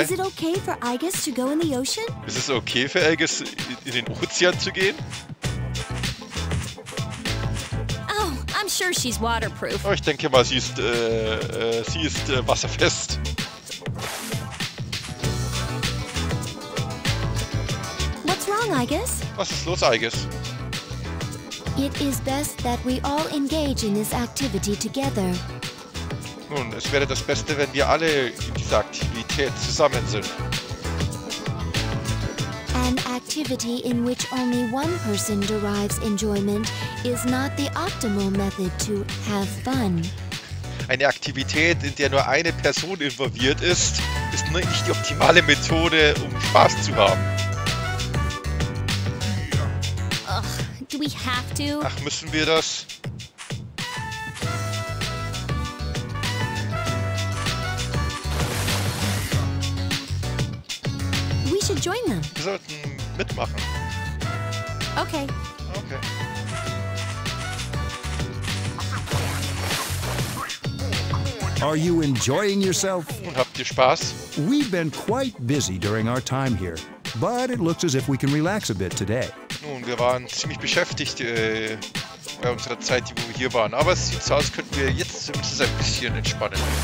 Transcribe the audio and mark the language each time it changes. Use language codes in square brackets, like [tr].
[en] Is it okay for Aegis to go in the ocean? [de] Ist es okay für Aegis in den Ozean zu gehen? [en] I'm sure she's waterproof. [de] Oh, ich denke mal, sie ist wasserfest. [en] What's wrong, Aegis? [de] Was ist los, Aegis? [en] It is best that we all engage in this activity together. [de] Nun, es wäre das Beste, wenn wir alle in dieser Aktivität zusammen sind. An Aktivität. [en] activity in which only one person derives enjoyment is not the optimal method to have fun. [de] Eine Aktivität, in der nur eine Person involviert ist, ist nicht die optimale Methode, um Spaß zu haben. [en] Ugh, do we have to? [de] Ach, müssen wir das? [en] We should join them. [de] Wir sollten mitmachen. [en] Okay. [de] Okay. [en] Are you enjoying yourself? [de] Habt ihr Spaß? [en] We've been quite busy during our time here, but it looks as if we can relax a bit today. [de] Nun, wir waren ziemlich beschäftigt bei unserer Zeit, wo wir hier waren, aber es sieht so aus, könnten wir jetzt zumindest ein bisschen entspannen.